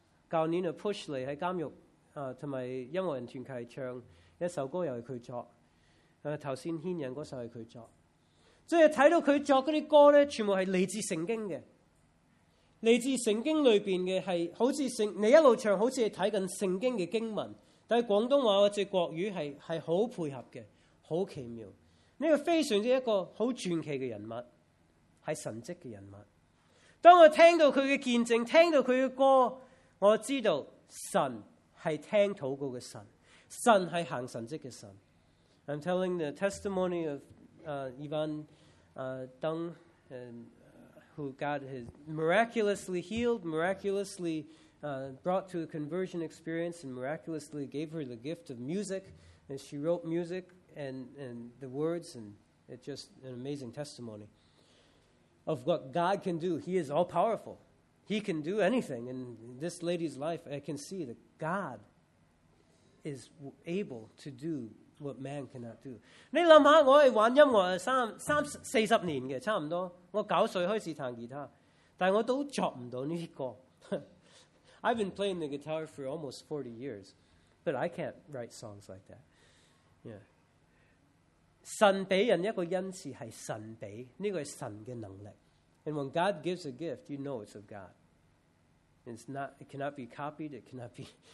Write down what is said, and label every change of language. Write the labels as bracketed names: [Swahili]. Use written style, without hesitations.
[Chinese] 去年就 push 来在监狱，还有音乐人团契唱一首歌，又是他作，头先牵引那首是他作，即是看到他作的那些歌全部是来自圣经的，来自圣经里面的，是好像圣，你一路唱好像是看圣经的经文，但是广东话或者国语 是很配合的，很奇妙。这个非常一个很传奇的人物，是神迹的人物。当我听到他的见证，听到他的歌，我知道神是听祷告的神，神是行神迹的神。 [English] I'm telling the testimony of Ivan Deng andwho God has miraculously healed, miraculously brought to a conversion experience, and miraculously gave her the gift of music. And she wrote music and the words, and it's just an amazing testimony of what God can do. He is all-powerful. He can do anything in this lady's life. I can see that God is able to do what man cannot do. [Chinese] 你想想，我是玩音乐三四十年的，差不多我九岁开始弹吉他，但我都作不到这些歌。 [English] I've been playing the guitar for almost 40 years, but I can't write songs like that. Yeah. [Chinese] 神给人一个恩赐是神给，这个是神的能力。 [English] And when God gives a gift, you know it's of God. It's not, it cannot be copied, it cannot be...